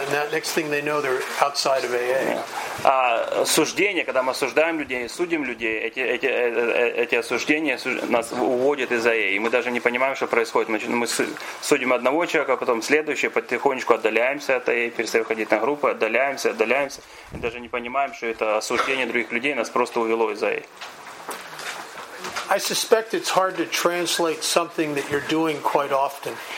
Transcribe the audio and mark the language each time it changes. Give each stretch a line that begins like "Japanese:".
English: Next thing they know, they're outside of AA.
Russian: Суждение, когда мы осуждаем людей, судим людей, эти осуждения нас уводят из АЭ, и мы даже не понимаем, что происходит. Мы судим одного человека, потом следующего, потихонечку отдаляемся от АЭ, перестаем ходить на группы, отдаляемся, и даже не понимаем, что это осуждение других людей нас просто увело из АЭ.
English: I suspect it's hard to translate something that you're doing quite often.